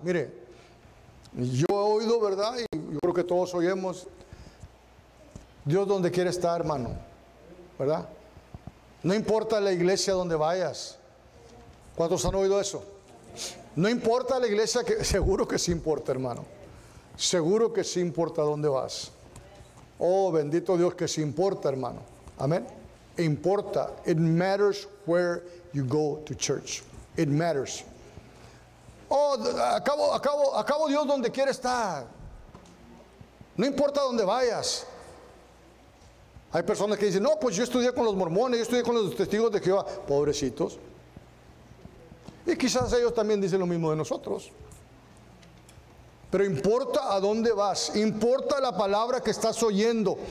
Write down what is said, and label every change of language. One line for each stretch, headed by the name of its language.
Spanish: Mire, yo he oído, ¿verdad?, y yo creo que todos oyemos, Dios donde quiere estar, hermano, ¿verdad? No importa la iglesia donde vayas. ¿Cuántos han oído eso? No importa la iglesia, que seguro que sí importa, hermano. Seguro que sí importa dónde vas. Oh, bendito Dios, que sí importa, hermano. Amén. Importa.
English: It matters where you go to church. It matters.
Spanish: Oh, acabo Dios donde quiere estar. No importa dónde vayas. Hay personas que dicen, no, pues yo estudié con los mormones, yo estudié con los testigos de Jehová. Pobrecitos. Y quizás ellos también dicen lo mismo de nosotros. Pero importa a dónde vas, importa la palabra que estás oyendo.